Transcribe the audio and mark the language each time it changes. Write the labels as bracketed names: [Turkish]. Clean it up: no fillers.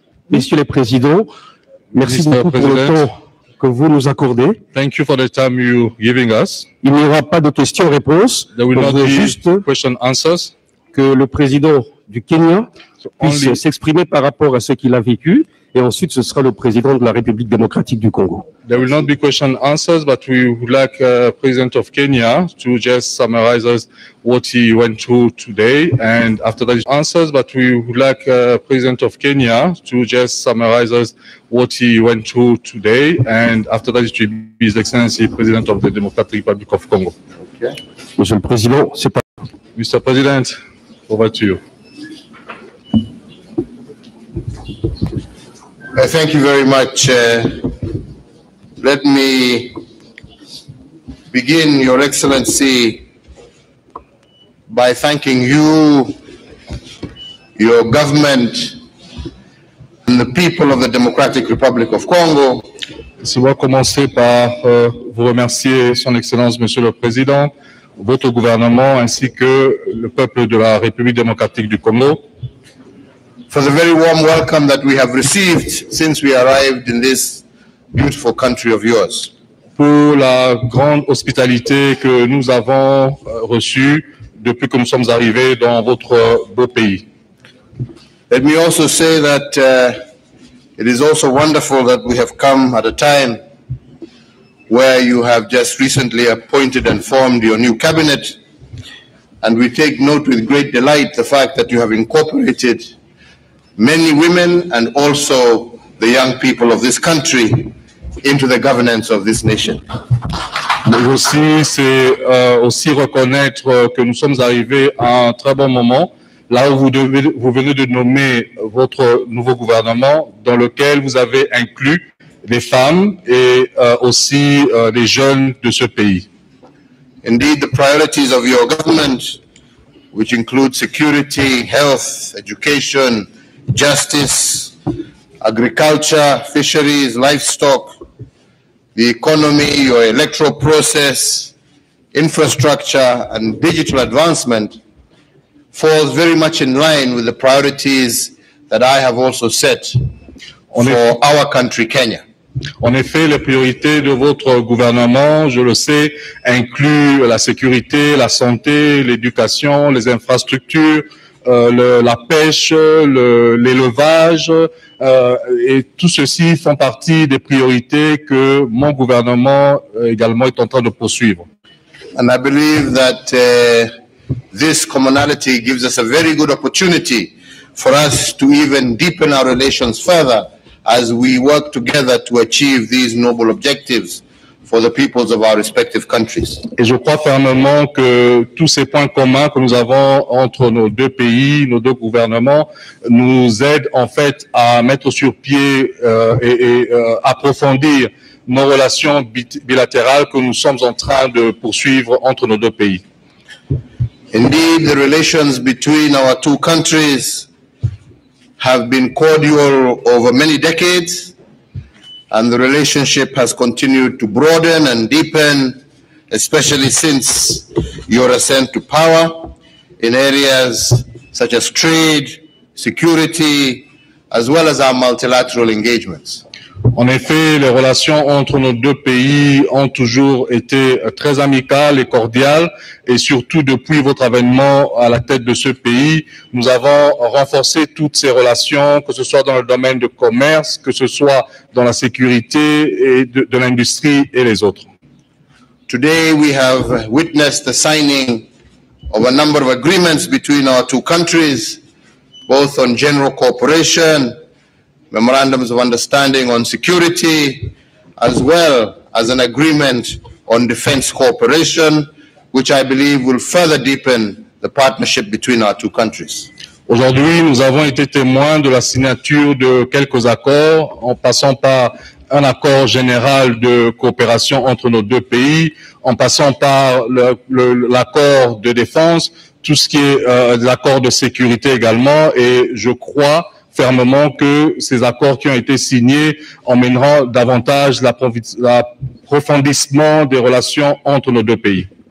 [French] Monsieur le Président, merci beaucoup pour le temps que vous nous accordez. [English] Thank you for the time you giving us. [French] Il n'y aura pas de questions-réponses. [English] There will not be juste question-answers. [French] Que le Président du Kenya puisse s'exprimer par rapport à ce qu'il a vécu. et ensuite ce sera le président de la République démocratique du Congo. [English] There will not be question answers, but we would like President of Kenya to just summarize us what he went through today. And after that, answers, but we would like President of Kenya to just summarize us what he went through today. And after that, it will be His Excellency President of the Democratic Republic of Congo. [French] Okay. Monsieur le Président, c'est pas. [English] Mr. President, over to you. Thank you very much. Let me begin, Your Excellency, by thanking you, your government, and the people of the Democratic Republic of Congo. [French] Je vais commencer par vous remercier, Son Excellence, Monsieur le Président, votre gouvernement ainsi que le peuple de la République démocratique du Congo. [English] For the very warm welcome that we have received since we arrived in this beautiful country of yours. [French] Pour la grande hospitalité que nous avons reçue depuis que nous sommes arrivés dans votre beau pays. [English] Let me also say that it is also wonderful that we have come at a time where you have just recently appointed and formed your new cabinet, and we take note with great delight the fact that you have incorporated many women and also the young people of this country into the governance of this nation. [French] Aussi, c'est aussi reconnaître que nous sommes arrivés à un très bon moment, là où vous venez de nommer votre nouveau gouvernement, dans lequel vous avez inclus les femmes et aussi les jeunes de ce pays. [English] Indeed, the priorities of your government, which include security, health, education, justice, agriculture, fisheries, livestock, the economy, your electoral process, infrastructure, and digital advancement falls very much in line with the priorities that I have also set for our country, Kenya. [French] En effet, les priorités de votre gouvernement, je le sais, incluent la sécurité, la santé, l'éducation, les infrastructures, la pêche, l'élevage, et tout ceci font partie des priorités que mon gouvernement également est en train de poursuivre. [English] And I believe that this commonality gives us a very good opportunity for us to even deepen our relations further as we work together to achieve these noble objectives for the peoples of our respective countries. [French] Et je crois fermement que tous ces points communs que nous avons entre nos deux pays, nos deux gouvernements, nous aident en fait à mettre sur pied approfondir nos relations bilatérales que nous sommes en train de poursuivre entre nos deux pays. [English] Indeed, the relations between our two countries have been cordial over many decades. And the relationship has continued to broaden and deepen, especially since your ascent to power, in areas such as trade, security, as well as our multilateral engagements. [French] En effet, les relations entre nos deux pays ont toujours été très amicales et cordiales, et surtout depuis votre avènement à la tête de ce pays, nous avons renforcé toutes ces relations, que ce soit dans le domaine de commerce, que ce soit dans la sécurité et de l'industrie et les autres. [English] Today we have witnessed the signing of a number of agreements between our two countries, both on general cooperation, memorandums of understanding on security, as well as an agreement on defense cooperation, which I believe will further deepen the partnership between our two countries. [French] Aujourd'hui, nous avons été témoins de la signature de quelques accords, en passant par un accord général de coopération entre nos deux pays, en passant par l'accord de défense, tout ce qui est l'accord de sécurité également, et je crois fermement que ces accords qui ont été signés emmèneront davantage l'approfondissement des relations entre nos deux pays.